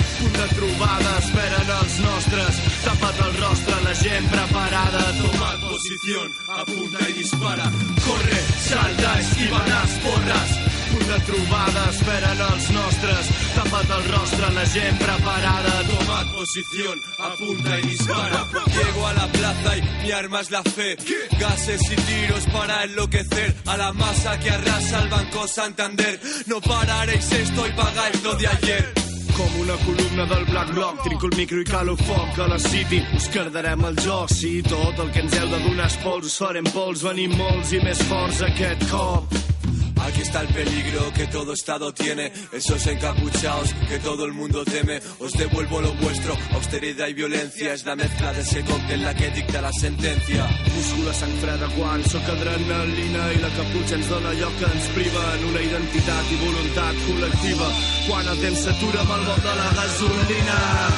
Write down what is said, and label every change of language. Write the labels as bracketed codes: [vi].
[ca] Punt de trobada, esperen els nostres. Tapat el rostre, la gent preparada. Toma posició, apunta i dispara. Corre, salta, esquiva les porres. Una trobada, esperen els nostres. Tapat el rostre, la gent preparada. Toma posició, apunta i dispara. [es] Llego a la plaza y mi arma es la fe. Gases y tiros para enloquecer a la masa que arrasa el Banco Santander. No pararéis esto y pagáis lo de ayer. [ca] Com una columna del Black Bloc, trinco el micro i calo foc a la City. Us quedarem al joc, si tot el que ens heu de donar és pols, us farem pols, venim molts i més forts aquest cop. [es] Aquí está el peligro que todo estado tiene, esos encapuchados que todo el mundo teme. Os devuelvo lo vuestro, austeridad y violencia es la mezcla de ese cóctel la que dicta la sentencia. [ca] Busco la sang freda quan soc adrenalina i la caputxa ens dona allò que ens priva en una identitat i voluntat col·lectiva. Quan el temps s'atura amb el vol de la gasolina.